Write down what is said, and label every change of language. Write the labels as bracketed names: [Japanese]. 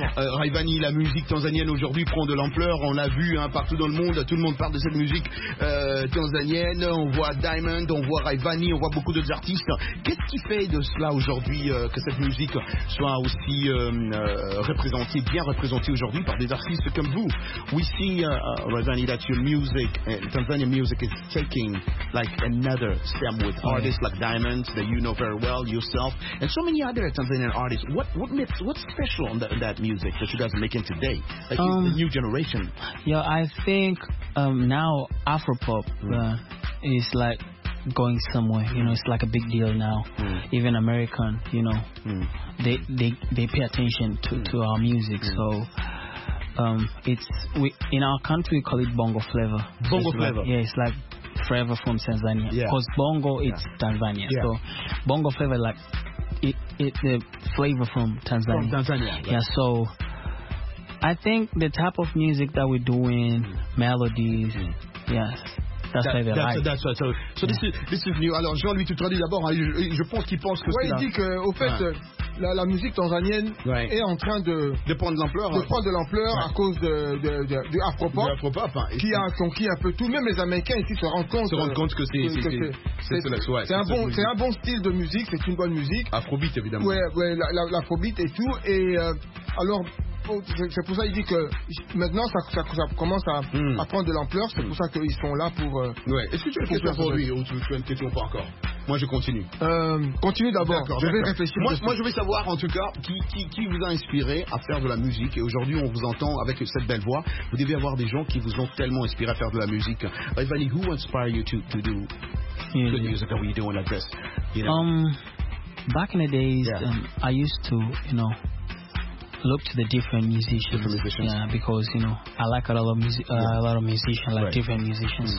[French] Raivani, la musique tanzanienne aujourd'hui prend de l'ampleur. On l'a vu partout dans le monde. Tout le monde parle de cette musique tanzanienne. On voit Diamond, on voit Raivani, on voit beaucoup d'autres artistes. Qu'est-ce qui fait de cela aujourd'hui que cette musique soit aussi représentée, bien représentée aujourd'hui par des artistes comme vous? [English] We see, Raivani, that your music, Tanzanian music, is taking like another step with artists like Diamond that you know very well yourself, and so many other Tanzanian artists. What's special on that music that you guys are making today? Like the new generation. Yeah, I think now Afropop is like going somewhere. You know, it's like a big deal now. Even American, you know, they pay attention to our music. So. In our country we call it Bongo Flavor. Bongo Flavor. Like, yeah, it's like flavor from Tanzania. Because Bongo it's Tanzania. Yeah. So Bongo Flavor like the flavor from Tanzania. From Tanzania. Yeah, so I think the type of music that we're doing, melodies, This is new. [French] Alors Jean-Louis, tu traduis d'abord, hein, je pense qu'il pense que il dit que au fait la musique tanzanienne est en train de prendre de l'ampleur, à cause de Afropop hein, qui a conquis un peu tout, même les Américains ici se rendent compte que c'est un bon style de musique, c'est une bonne musique. Afrobeat évidemment. Ouais, l'Afrobeat et tout. Et alors c'est pour ça qu'il dit que maintenant ça commence à prendre de l'ampleur. C'est pour ça qu'ils sont là pour. Est-ce que tu as une question pour lui ou tu as une question pas encore? Moi, je continue. Continue d'abord. D'accord, je vais réfléchir. Moi, je vais savoir, en tout cas, qui vous a inspiré à faire de la musique. Et aujourd'hui, on vous entend avec cette belle voix. Vous devez avoir des gens qui vous ont tellement inspiré à faire de la musique. [English] Evany, who inspired you to do the music that we're doing like this? You know? Back in the days, I used to, you know, look to the different musicians. Different musicians. Yeah, because, you know, I like a lot of musicians, like different musicians.